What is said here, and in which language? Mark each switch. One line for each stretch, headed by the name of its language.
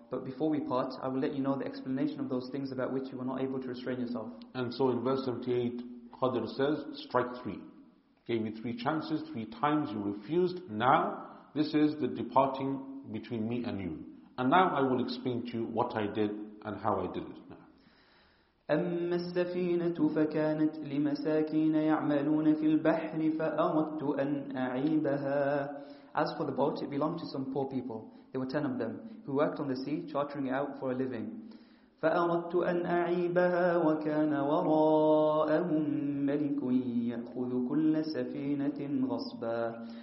English: But before we part, I will let you know the explanation of those things about which you were not able to restrain yourself. And so in verse 78, Khadr says, strike three. Gave you three chances, three times you refused. Now, this is the departing between me and you. And now I will explain to you what I did and how I did it.
Arabic: أما السفينة فكانت لمساكين يعملون في البحر فأردت أن أعيبها.
English: As for the boat, it belonged to some poor people. There were 10 of them who worked on the sea, chartering it out for a living.
Arabic: فأردت أن أعيبها وكان وراءهم ملك يأخذ كل سفينة غصبا.